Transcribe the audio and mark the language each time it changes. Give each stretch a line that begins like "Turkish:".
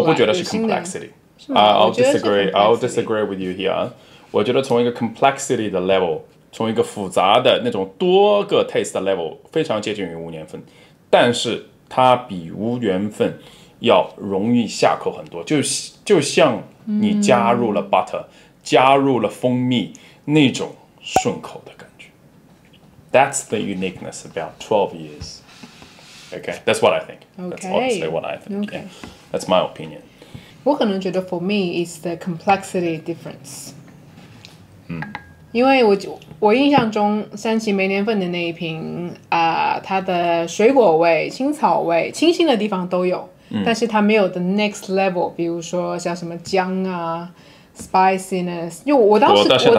Chinese: 我不觉得是 complexity，
English: I'll disagree with you here，
Chinese: 我觉得从一个 complexity 的 level， 从一个复杂的那种多个 taste 的 level 非常接近于无年份，但是它比无年份要容易下口很多， 就像你加入了 butter、加入了蜂蜜那种顺口的感觉。
English: That's the uniqueness about 12 years. Okay, that's what I think. That's honestly what I think. Okay. That's my opinion.
Chinese: 我可能觉得
English: for me is the complexity difference.、嗯、
Chinese: 因为 我印象中山崎没年份的那一瓶、它的水果味、青草味、清新的地方都有、嗯、但是它没有
English: the next level，
Chinese: 比如说像什么姜啊spiciness， 因为我到现在